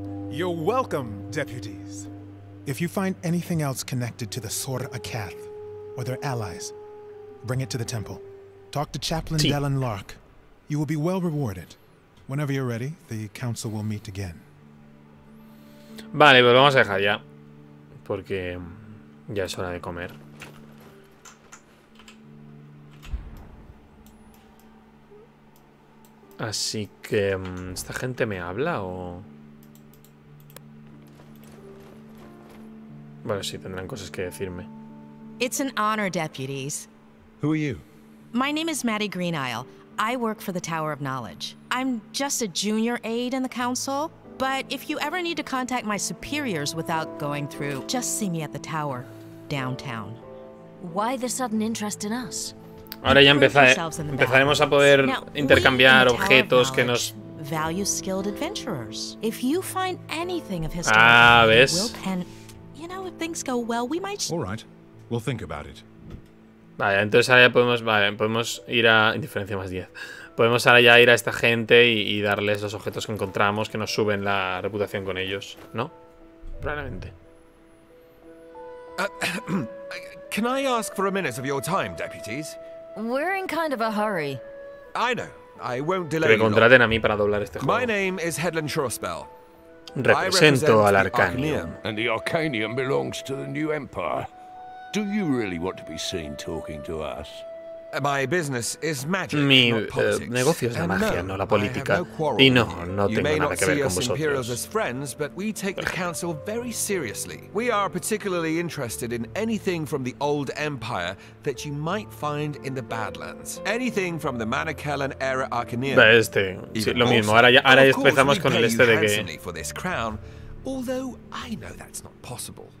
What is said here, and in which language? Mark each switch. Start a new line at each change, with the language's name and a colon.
English: You're welcome, deputies. If you find anything else connected to the Sor-Akath, or their allies, bring it to the temple. Talk to Chaplain Delan Lark. You will be well rewarded. Whenever you're ready, the council will meet again.
Spanish: Vale, pues vamos a dejar ya, porque ya es hora de comer. Así que esta gente me habla o Bueno, sí, tendrán cosas que decirme.
English: It's an honor, deputies. Who are you? My name is Maddie Greenisle. I work for the Tower of Knowledge. I'm just a junior aide in the council, but if you ever need to contact my superiors without going through, just see me at the tower, downtown. Why the sudden interest in us?
Spanish: Ahora ya empezaremos a poder intercambiar objetos que nos...
English: Value skilled adventurers. If you find anything of historical value, we'll pen... You know, if things go well, we might... All right. We'll think about it.
Spanish: Vale, entonces ahora ya podemos... Vale, podemos ir a... Indiferencia más 10. Podemos ahora ya ir a esta gente y darles los objetos que encontramos que nos suben la reputación con ellos, ¿no? Probablemente.
English: Can I ask for a minute of your time, deputies? We're in kind of a hurry. I know. I won't delay.
Spanish: Que me contraten a mí para doblar este juego.
English: My name is Hedland Shorespell.
Spanish: Represento al Arcanium.
English: And the Arcanium belongs to the new Empire. Do you really want to be seen talking to us? My business is magic.
Spanish: Mi negocio es la magia, no la política. Y no, no tengo nada que ver con vosotros.
English: Friends, but we take the council very seriously. We are particularly interested in anything from the old empire that you might find in the Badlands. Anything from the Manichaean era Arcanium.
Spanish: Este, sí, lo mismo. Ahora ya empezamos con el este de que.
English: For this crown, although I know that's not possible.